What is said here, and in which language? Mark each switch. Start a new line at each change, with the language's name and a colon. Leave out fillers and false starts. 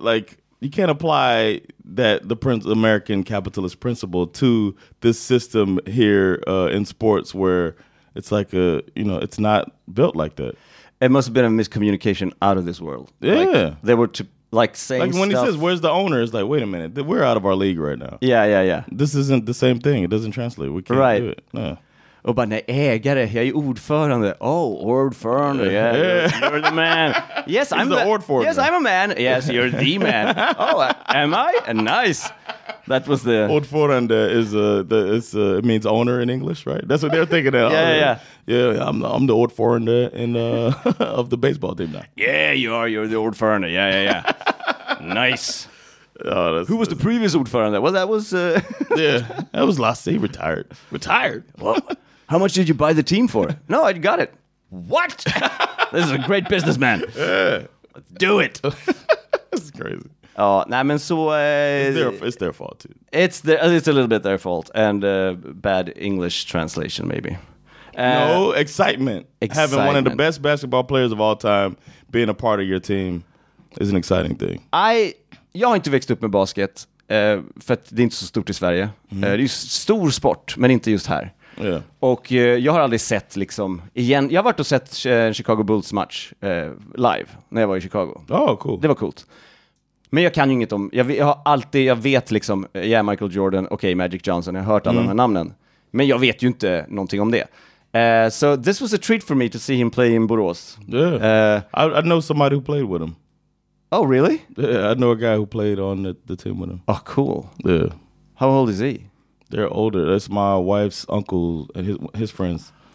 English: Like, you can't apply that the American capitalist principle to this system here in sports, where it's like a, you know, it's not built like that. it must have been a miscommunication out of this world. Yeah. Like, they were to, like, saying stuff. Like, when stuff. He says, where's the owner? It's like, wait a minute. We're out of our league right now. Yeah, yeah, yeah. This isn't the same thing. It doesn't translate. We can't right. do it. No.
Swedish: Och bara, nej, ägare, jag är ordförande.
English: Oh, ordförande, yeah, yeah. You're the man. Yes, he's I'm the ordförande. Yes, I'm a man. Yes, you're the man. Oh, am I? Nice. That was the... Ordförande is it means owner in English, right? That's what they're thinking of. Yeah, yeah. Yeah, I'm the ordförande in of the baseball team now. Yeah, you are. You're the ordförande. Yeah, yeah, yeah. Nice. Oh, who was the previous ordförande? Well, that was... yeah, that was last day. Retired. Retired? Well, how much did you buy the team for? No, I got it. What? This is a great businessman. Yeah. Let's do it. This is crazy. Oh, nah,
Swedish: men så...
English: it's their fault, too. It's a little bit their fault. And bad English translation, maybe. No excitement. Having one of the best basketball players of all time being a part of your team is an exciting thing.
Swedish: Jag har inte växt upp med basket, för att det är inte så stort i Sverige. Mm. Det är ju stor sport, men inte just här.
English: Yeah.
Swedish: Och jag har aldrig sett, liksom, igen. Jag har varit och sett Chicago Bulls match live när jag var i Chicago.
English: Oh, cool.
Swedish: Det var coolt. Men jag kan ju inget om, jag vet liksom, yeah, Michael Jordan, okej, okay, Magic Johnson, jag har hört alla de här namnen. Men jag vet ju inte någonting om det.
English: So this was a treat for me to see him play in Borås. Yeah. I know somebody who played with him. Oh, really? Yeah, I know a guy who played on the team with him. Oh, cool. Yeah. How old is he? They're older. That's my wife's uncle and his friends.